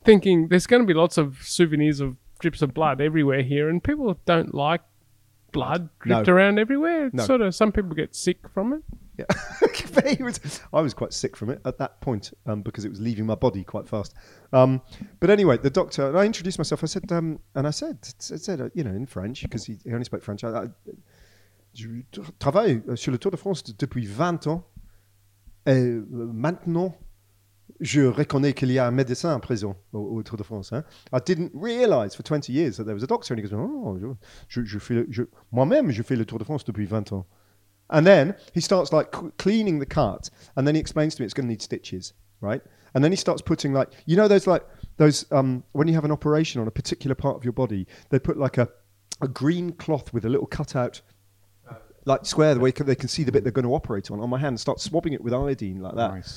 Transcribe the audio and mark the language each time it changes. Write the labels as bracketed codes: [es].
[en] Thinking there's going to be lots of souvenirs of drips of blood everywhere here, and people don't like blood dripped around everywhere. It's sort of some people get sick from it. Yeah. I was quite sick from it at that point because it was leaving my body quite fast. But anyway, the doctor, and I introduced myself. I said, you know, in French, because he only spoke French. [fr] I travaille sur le Tour de France depuis 20 ans. Et maintenant, je reconnais qu'il y a un médecin en prison au Tour de France. Hein. [en] I didn't realize for 20 years that there was a doctor. And he goes, [fr] moi-même, je fais le Tour de France depuis 20 ans. [en] And then he starts like cleaning the cart, and then he explains to me it's going to need stitches, right? And then he starts putting like, you know, those like those when you have an operation on a particular part of your body, they put like a green cloth with a little cutout, like square, the way they can see the bit they're going to operate on my hand, and start swabbing it with iodine like that.